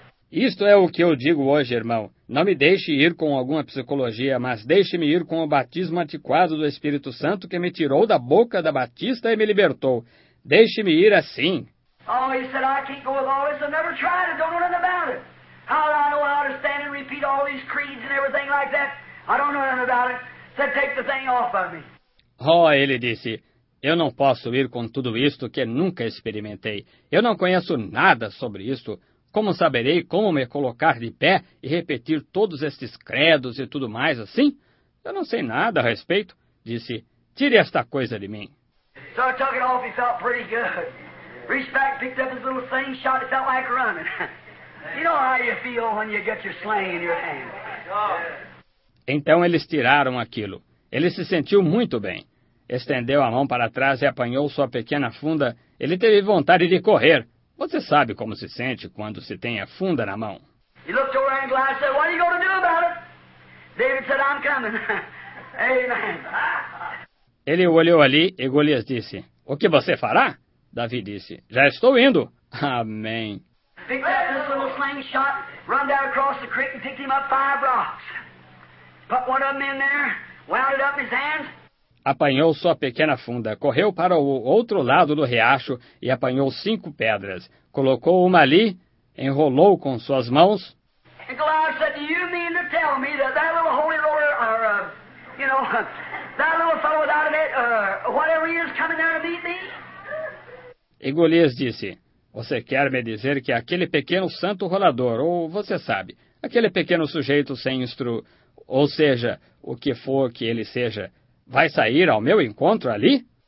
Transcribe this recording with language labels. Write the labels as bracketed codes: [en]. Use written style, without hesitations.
[pt] Isto é o que eu digo hoje, irmão. Não me deixe ir com alguma psicologia, mas deixe-me ir com o batismo antiquado do Espírito Santo que me tirou da boca da Batista e me libertou. Deixe-me ir assim. [en] Oh, he said, I can't go with all this. I've never tried it. Don't know nothing about it. How do I know how to stand and repeat all these creeds and everything like that? I don't know nothing about it. Said, take the thing off of me. [pt] Oh, ele disse, eu não posso ir com tudo isto que nunca experimentei. Eu não conheço nada sobre isto. Como saberei como me colocar de pé e repetir todos estes credos e tudo mais assim? Eu não sei nada a respeito. Disse, tire esta coisa de mim. [en] So I took it off, he felt pretty good. Reached back, picked up his little thing, shot it out like running. You know how you feel when you get your sling in your hand. [pt] Então eles tiraram aquilo. Ele se sentiu muito bem. Estendeu a mão para trás e apanhou sua pequena funda. Ele teve vontade de correr. Você sabe como se sente quando se tem a funda na mão. [en] He looked over and glad said, what are you going to do about it? David said, I'm coming. Amen. [pt] Ele olhou ali e Golias disse, o que você fará? Davi disse, já estou indo. Amém. [en] Picked up this little slingshot, run down across the creek and picked him up five rocks. Put one of them in there, wound it up his hands. [pt] Apanhou sua pequena funda, correu para o outro lado do riacho e apanhou 5 pedras. Colocou uma ali, enrolou com suas mãos. [en] Goliath said, do you mean to tell me that that little holy roller, or, you know, that little fellow without it, whatever he is coming down to beat me? [pt] E Golias disse, você quer me dizer que aquele pequeno santo rolador, ou você sabe, aquele pequeno sujeito sem instru, ou seja, o que for que ele seja, vai sair ao meu encontro ali?